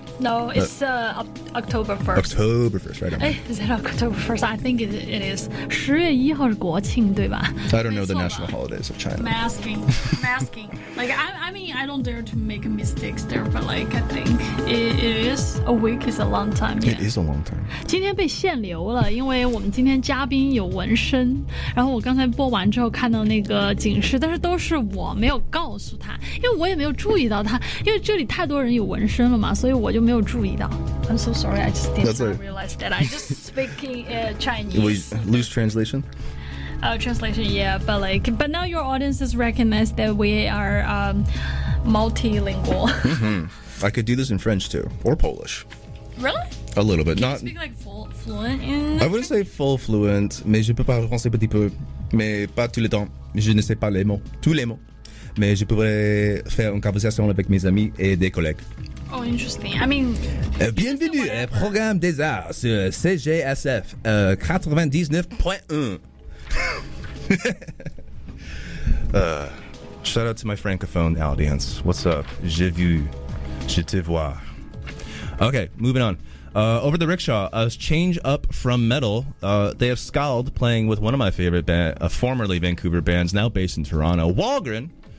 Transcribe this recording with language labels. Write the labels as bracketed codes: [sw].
[en] No, it's October 1st. October 1st, right? Is it October 1st? I think it is. [zh] 10月1号 是国庆，对吧？ [en] I don't know the national holidays of China. Masking. Like I mean, I don't dare to make mistakes there, but like I think it is a week is a long time. Yeah. It is a long time. [zh] 今天被限流了，因为我们今天嘉宾有纹身。然后我刚才播完之后看到那个警示，但是都是我没有告诉他，因为我也没有注意到他，因为这里太多人有纹身了嘛，所以我。就没有注意到。 [en] I'm so sorry, I just didn't realize that. I just speaking Chinese. We lose translation? Translation, yeah. But now your audience has recognized that we are multilingual. I could do this in French too, or Polish. Really? A little bit. Can not you speak like fluent in? I wouldn't say full fluent, [fr] mais je peux parler français petit peu, mais pas tout le temps. Je ne sais pas les mots, tous les mots. Mais je pourrais faire une conversation avec mes amis et des collègues. [en] Oh, interesting. I mean... [fr] Bienvenue au programme des arts sur CJSF 99.1. [en] shout out to my francophone audience. What's up? [fr] Je vous... Je te vois. [en] Okay, moving on. Over the Rickshaw, a change up from metal. They have Scald playing with one of my favorite bands, formerly Vancouver bands, now based in Toronto, Walgren.